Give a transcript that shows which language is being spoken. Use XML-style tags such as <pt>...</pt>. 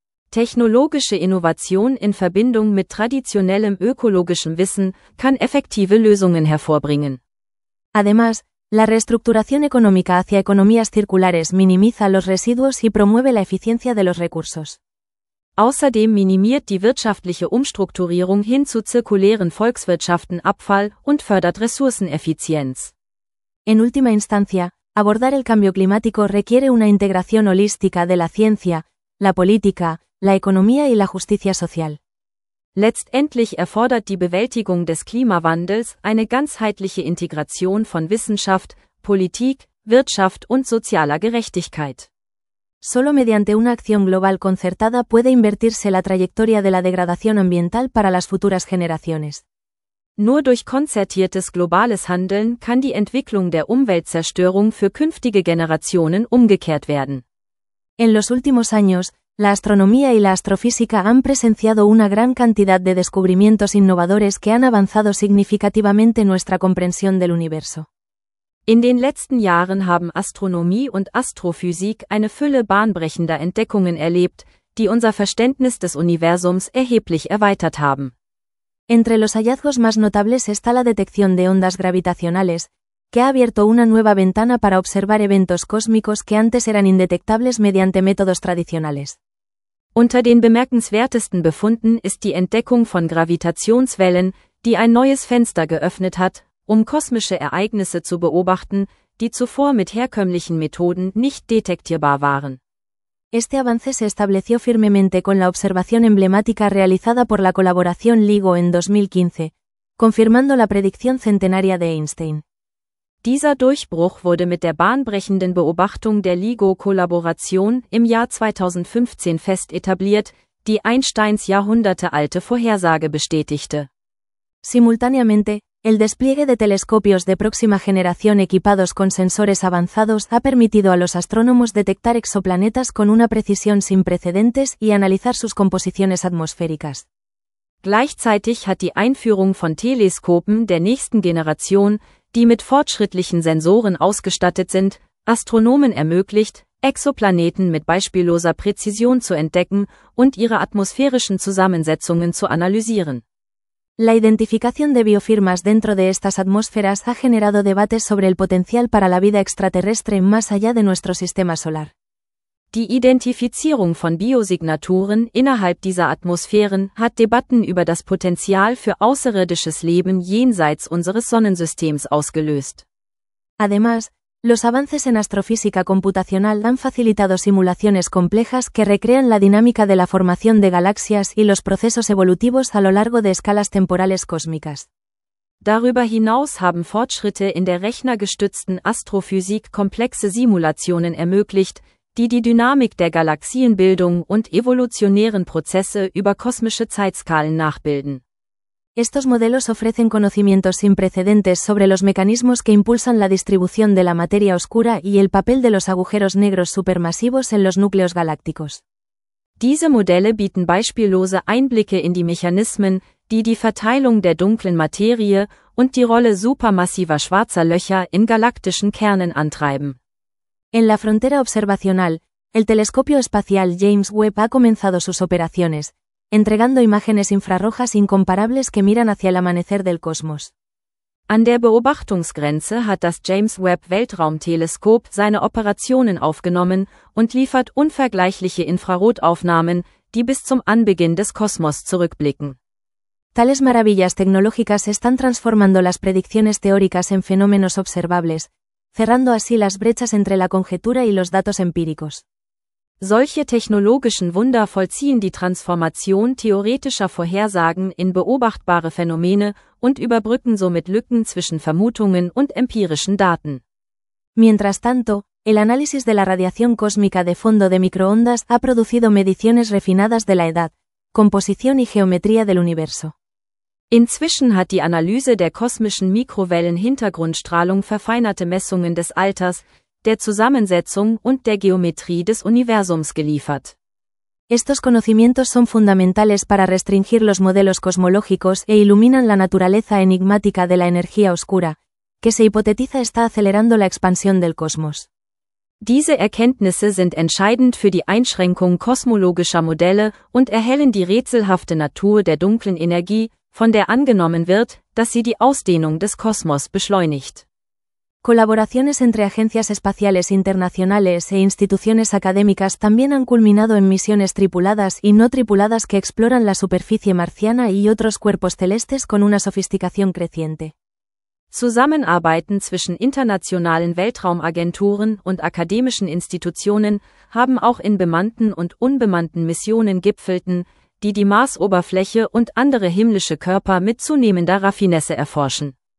<de>Technologische Innovation in Verbindung mit traditionellem ökologischem Wissen kann effektive Lösungen hervorbringen.</de> <es>Además, la reestructuración económica hacia economías circulares minimiza los residuos y promueve la eficiencia de los recursos.</es> <de>Außerdem minimiert die wirtschaftliche Umstrukturierung hin zu zirkulären Volkswirtschaften Abfall und fördert Ressourceneffizienz.</de> <es>En última instancia, abordar el cambio climático requiere una integración holística de la ciencia, la política, la economía y la justicia social.</es> <de>Letztendlich erfordert die Bewältigung des Klimawandels eine ganzheitliche Integration von Wissenschaft, Politik, Wirtschaft und sozialer Gerechtigkeit.</de> <es>Solo mediante una acción global concertada puede invertirse la trayectoria de la degradación ambiental para las futuras generaciones.</es> <de>Nur durch konzertiertes globales Handeln kann die Entwicklung der Umweltzerstörung für künftige Generationen umgekehrt werden.</de> <es>En los últimos años, la astronomía y la astrofísica han presenciado una gran cantidad de descubrimientos innovadores que han avanzado significativamente nuestra comprensión del universo.</es> <de>In den letzten Jahren haben Astronomie und Astrophysik eine Fülle bahnbrechender Entdeckungen erlebt, die unser Verständnis des Universums erheblich erweitert haben.</de> <es>Entre los hallazgos más notables está la detección de ondas gravitacionales, que ha abierto una nueva ventana para observar eventos cósmicos que antes eran indetectables mediante métodos tradicionales.</es> <de>Unter den bemerkenswertesten Befunden ist die Entdeckung von Gravitationswellen, die ein neues Fenster geöffnet hat, um kosmische Ereignisse zu beobachten, die zuvor mit herkömmlichen Methoden nicht detektierbar waren.</de> <es>Este avance se estableció firmemente con la observación emblemática realizada por la colaboración LIGO en 2015, confirmando la predicción centenaria de Einstein.</es> <de>Dieser Durchbruch wurde mit der bahnbrechenden Beobachtung der LIGO-Kollaboration im Jahr 2015 fest etabliert, die Einsteins jahrhundertealte Vorhersage bestätigte.</de> <es>Simultáneamente, el despliegue de telescopios de próxima generación equipados con sensores avanzados ha permitido a los astrónomos detectar exoplanetas con una precisión sin precedentes y analizar sus composiciones atmosféricas.</es> <de>Gleichzeitig hat die Einführung von Teleskopen der nächsten Generation, die mit fortschrittlichen Sensoren ausgestattet sind, Astronomen ermöglicht, Exoplaneten mit beispielloser Präzision zu entdecken und ihre atmosphärischen Zusammensetzungen zu analysieren.</de> <es>La identificación de biofirmas dentro de estas atmósferas ha generado debates sobre el potencial para la vida extraterrestre más allá de nuestro sistema solar.</es> <de>Die Identifizierung von Biosignaturen innerhalb dieser Atmosphären hat Debatten über das Potenzial für außerirdisches Leben jenseits unseres Sonnensystems ausgelöst.</de> <es>Además, los avances en astrofísica computacional han facilitado simulaciones complejas que recrean la dinámica de la formación de galaxias y los procesos evolutivos a lo largo de escalas temporales cósmicas.</es> <de>Darüber hinaus haben Fortschritte in der rechnergestützten Astrophysik komplexe Simulationen ermöglicht, die die Dynamik der Galaxienbildung und evolutionären Prozesse über kosmische Zeitskalen nachbilden.</de> <es>Estos modelos ofrecen conocimientos sin precedentes sobre los mecanismos que impulsan la distribución de la materia oscura y el papel de los agujeros negros supermasivos en los núcleos galácticos.</es> <de>Diese Modelle bieten beispiellose Einblicke in die Mechanismen, die die Verteilung der dunklen Materie und die Rolle supermassiver schwarzer Löcher in galaktischen Kernen antreiben.</de> <es>En la frontera observacional, el telescopio espacial James Webb ha comenzado sus operaciones, entregando imágenes infrarrojas incomparables que miran hacia el amanecer del cosmos.</es> <de>An der Beobachtungsgrenze hat das James Webb Weltraumteleskop seine Operationen aufgenommen und liefert unvergleichliche Infrarotaufnahmen, die bis zum Anbeginn des Kosmos zurückblicken.</de> <es>Tales maravillas tecnológicas están transformando las predicciones teóricas en fenómenos observables, cerrando así las brechas entre la conjetura y los datos empíricos.</es> <de>Solche technologischen Wunder vollziehen die Transformation theoretischer Vorhersagen in beobachtbare Phänomene und überbrücken somit Lücken zwischen Vermutungen und empirischen Daten.</de> <es>Mientras tanto, el análisis de la radiación cósmica de fondo de microondas ha producido mediciones refinadas de la edad, composición y geometría del universo.</es> <de>Inzwischen hat die Analyse der kosmischen Mikrowellen-Hintergrundstrahlung verfeinerte Messungen des Alters, der Zusammensetzung und der Geometrie des Universums geliefert.</de> <es>Estos conocimientos son fundamentales para restringir los modelos cosmológicos e iluminan la naturaleza enigmática de la energía oscura, que se hipotetiza está acelerando la expansión del cosmos.</es> <de>Diese Erkenntnisse sind entscheidend für die Einschränkung kosmologischer Modelle und erhellen die rätselhafte Natur der dunklen Energie, von der angenommen wird, dass sie die Ausdehnung des Kosmos beschleunigt.</de> <es>Colaboraciones entre agencias espaciales internacionales e instituciones académicas también han culminado en misiones tripuladas y no tripuladas que exploran la superficie marciana y otros cuerpos celestes con una sofisticación creciente.</es> <de>Zusammenarbeiten zwischen internationalen Weltraumagenturen und akademischen Institutionen haben auch in bemannten und unbemannten Missionen gipfelten, die die Marsoberfläche und andere himmlische Körper mit zunehmender Raffinesse erforschen.</de>